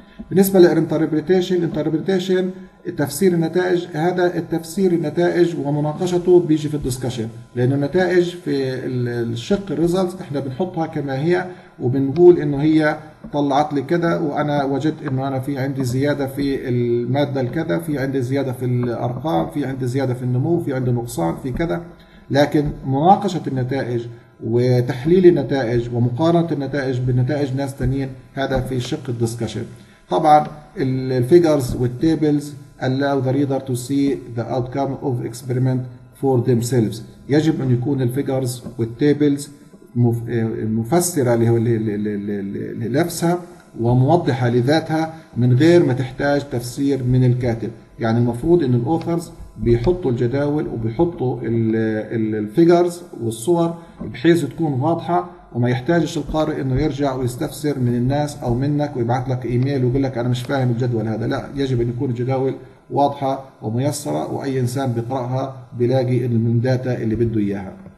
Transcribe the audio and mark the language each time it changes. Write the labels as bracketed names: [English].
[Arabic] بالنسبة للانتربريتيشن، الانتربريتيشن تفسير النتائج، هذا التفسير النتائج ومناقشته بيجي في الدسكشن، لانه النتائج في الشق الريزلت احنا بنحطها كما هي وبنقول انه هي طلعت لي كذا وانا وجدت انه انا في عندي زيادة في المادة الكذا، في عندي زيادة في الارقام، في عندي زيادة في النمو، في عندي نقصان في كذا، لكن مناقشة النتائج وتحليل النتائج ومقارنة النتائج بنتائج ناس تانيين هذا في شق الدسكشن. طبعا الفيجرز والتابلز [English] allow the reader to see the outcome of experiment for themselves. [Arabic] يجب ان يكون الفيجرز والتابلز مفسرة لنفسها وموضحة لذاتها من غير ما تحتاج تفسير من الكاتب. يعني المفروض ان الاوثرز بيحطوا الجداول وبيحطوا الفيجرز والصور بحيث تكون واضحة وما يحتاجش القارئ انه يرجع ويستفسر من الناس او منك ويبعث لك ايميل ويقول لك انا مش فاهم الجدول هذا. لا، يجب ان يكون الجداول واضحة وميسرة واي انسان بيقرأها بيلاقي من داتا اللي بده اياها.